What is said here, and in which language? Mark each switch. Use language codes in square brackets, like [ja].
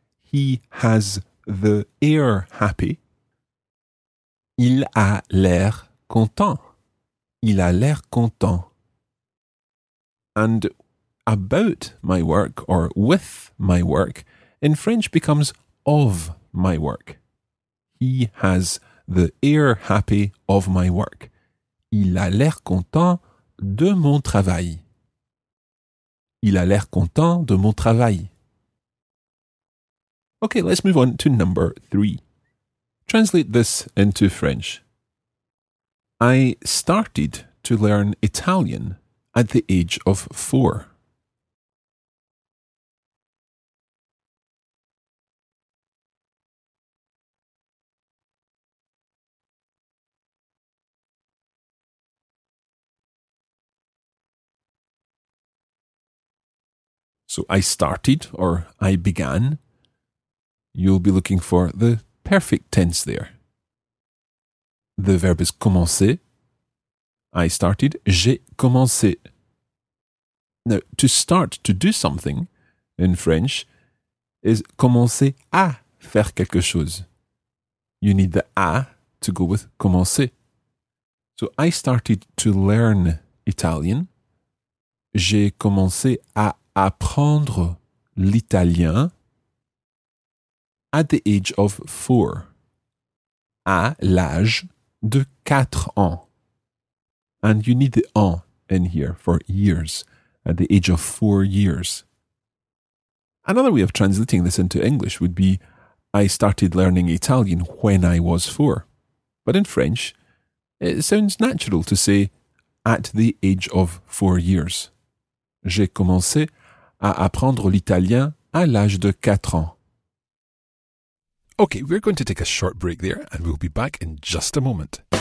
[en] He has the ear happy. [fr] Il a l'air content. Il a l'air content. [en] And about my work or with my work in French becomes of my work. He has the ear happy of my work. [fr] Il a l'air content de mon travail. Il a l'air content de mon travail. [en] Okay, let's move on to number three. Translate this into French. I started to learn Italian at the age of 4. So I started, or I began. You'll be looking for the perfect tense there. The verb is commencer. I started, [fr] j'ai commencé. [en] Now, to start to do something in French is [fr] commencer à faire quelque chose. [en] You need the à to go with commencer. So I started to learn Italian. [fr] J'ai commencé à apprendre l'italien [en] at the age of 4, [fr] à l'âge de 4 ans. [en] And you need the en in here for years, at the age of 4 years. Another way of translating this into English would be, I started learning Italian when I was 4. But in French, it sounds natural to say, at the age of 4 years. [fr] J'ai commencé à apprendre l'italien à l'âge de 4 ans. [en] Okay, we're going to take a short break there and we'll be back in just a moment.